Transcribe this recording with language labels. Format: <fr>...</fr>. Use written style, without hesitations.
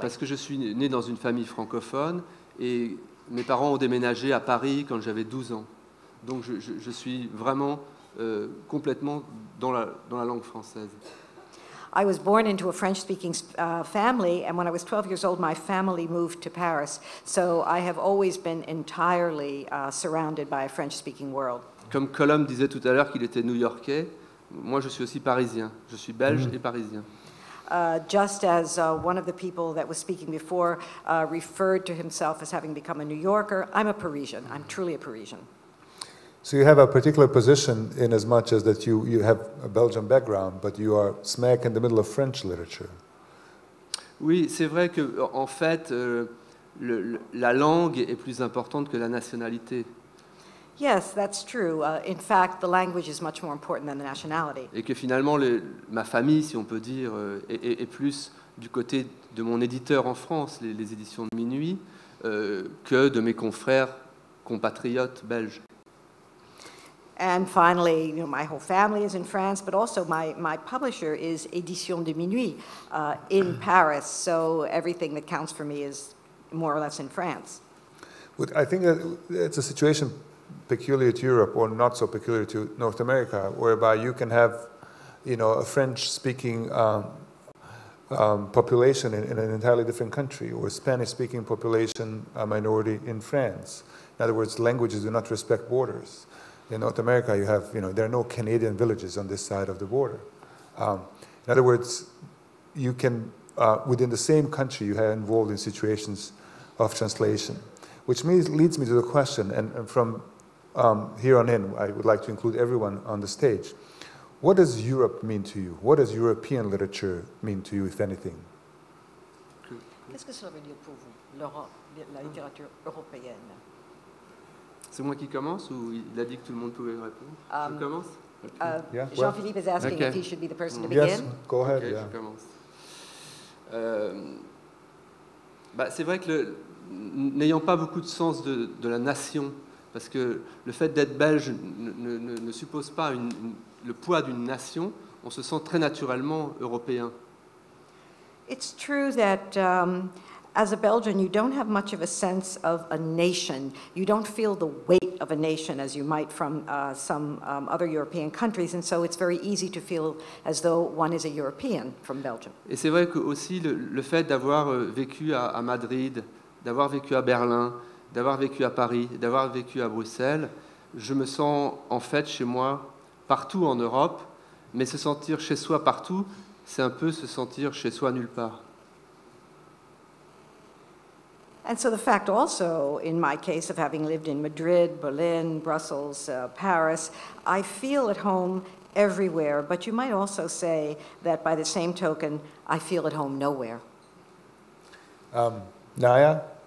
<fr>Parce que je suis né dans une famille francophone et mes parents ont déménagé à Paris quand j'avais 12 ans. Donc je suis vraiment complètement dans la langue française.</fr> <en>I was born into a French-speaking family, and when I was 12 years old, my family moved to Paris. So I have always been entirely surrounded by a French-speaking world.</en> <fr>Comme Colum disait tout à l'heure qu'il était New-Yorkais, moi je suis aussi parisien. Je suis belge et parisien.</fr> <en>Just as one of the people that was speaking before referred to himself as having become a New Yorker, I'm a Parisian. I'm truly a Parisian. So you have a particular position in as much as that you have a Belgian background, but you are smack in the middle of French literature.</en> <fr>Oui, c'est vrai que en fait la langue est plus importante que la nationalité.</fr> <en>Yes, that's true. In fact, the language is much more important than the nationality.</en> <fr>Et que finalement, ma famille, si on peut dire, est plus du côté de mon éditeur en France, les éditions de Minuit, que de mes confrères compatriotes belges.</fr> <en>And finally, you know, my whole family is in France, but also my publisher is Édition de Minuit in Paris. So everything that counts for me is more or less in France. But I think it's a situation peculiar to Europe or not so peculiar to North America, whereby you can have, you know, a French-speaking population in an entirely different country, or a Spanish-speaking population, a minority in France. In other words, languages do not respect borders. In North America, you have, you know, there are no Canadian villages on this side of the border. In other words, you can, within the same country, you are involved in situations of translation, which leads me to the question, and from here on in, I would like to include everyone on the stage. What does Europe mean to you? What does European literature mean to you, if anything?</en> <fr>Qu'est-ce que cela veut dire pour vous, la littérature européenne? C'est moi qui commence, ou il a dit que tout le monde pouvait répondre? Je commence?</fr> <en>Yeah. Jean-Philippe is asking if he should be the person to yes, begin. Yes, go ahead. Okay, yeah.</en> <fr>Je commence. C'est vrai que n'ayant pas beaucoup de sens de la nation, parce que le fait d'être belge ne suppose pas le poids d'une nation, on se sent très naturellement européen.</fr> <en>It's true that as a Belgian you don't have much of a sense of a nation. You don't feel the weight of a nation as you might from some other European countries, and so it's very easy to feel as though one is a European from Belgium.</en> <fr>Et c'est vrai que aussi le fait d'avoir vécu à Madrid, d'avoir vécu à Berlin, d'avoir vécu à Paris, d'avoir vécu à Bruxelles, je me sens en fait chez moi partout en Europe, mais se sentir chez soi partout, c'est un peu se sentir chez soi nulle part.</fr> <en>And so the fact also, in my case of having lived in Madrid, Berlin, Brussels, Paris, I feel at home everywhere, but you might also say that by the same token, I feel at home nowhere. Naja?</en>